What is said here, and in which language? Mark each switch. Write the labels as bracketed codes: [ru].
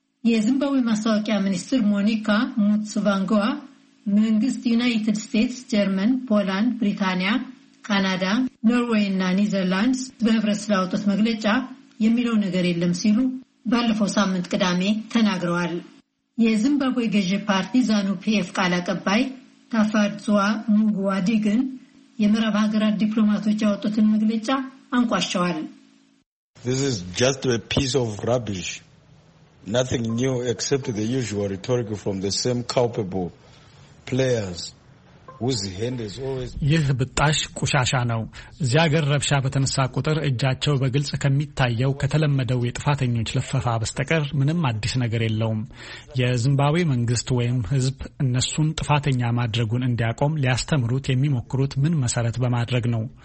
[am] የዚምባብዌ ማስታወቂያ ሚኒስትር ሞኒካ ሙትስቫንጎዋ መንግስት ዩናይትድ ስቴትስ፣ ጀርመን፣ ፖላንድ፣ ብሪታንያ፣ ካናዳ፣ ኖርዌይ እና ኒዘርላንድስ በህብረት ስላወጡት መግለጫ የሚለው ነገር የለም ሲሉ ባለፈው ሳምንት ቅዳሜ ተናግረዋል። የዚምባብዌ ገዢ ፓርቲ ዛኑ ፒኤፍ ቃል አቀባይ ታፋድዙዋ ሙጉዋዲ ግን የምዕራብ ሀገራት ዲፕሎማቶች ያወጡትን መግለጫ አንቋሸዋል። [en] This is just a piece of rubbish. Nothing new except the usual rhetoric from the same culpable players. [am] ይህ ብጣሽ ቁሻሻ ነው። እዚያ ሀገር ረብሻ በተነሳ ቁጥር እጃቸው በግልጽ ከሚታየው ከተለመደው የጥፋተኞች ለፈፋ በስተቀር ምንም አዲስ ነገር የለውም። የዚምባብዌ መንግስት ወይም ህዝብ እነሱን ጥፋተኛ ማድረጉን እንዲያቆም ሊያስተምሩት የሚሞክሩት ምን መሰረት በማድረግ ነው?